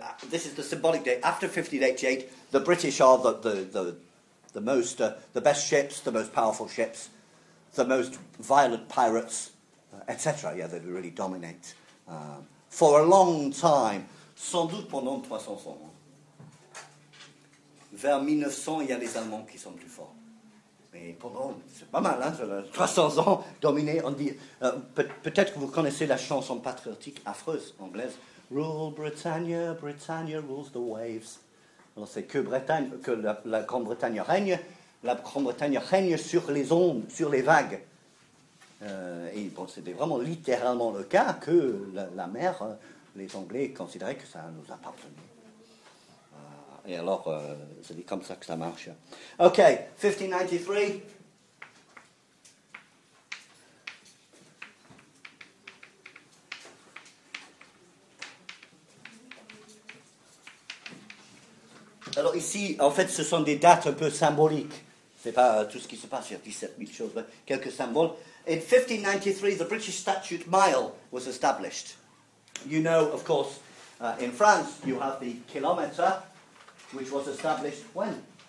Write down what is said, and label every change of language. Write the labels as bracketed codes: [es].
[en] This is the symbolic date. After 1588, the British are the best ships, the most powerful ships, the most violent pirates, etc. Yeah, they really dominate for a long time. [fr] Sans doute pendant 300 ans. Vers 1900, il y a les Allemands qui sont plus forts. Mais pendant, c'est pas mal, hein, 300 ans dominés. On dit, peut-être que vous connaissez la chanson patriotique affreuse anglaise. [en] Rule Britannia, Britannia rules the waves. [fr] Alors c'est que Bretagne, que la Grande-Bretagne règne. La Grande-Bretagne règne sur les ondes, sur les vagues. Et c'était vraiment littéralement le cas que la mer, les Anglais considéraient que ça nous appartenait. C'est comme ça que ça marche. Ok, 1593. Alors ici, en fait, ce sont des dates un peu symboliques. Ce n'est pas tout ce qui se passe, il y a 17 000 choses, mais quelques symboles. [en] In 1593, the British Statute Mile was established. You know, of course, in France, you have the kilometre, which was established when?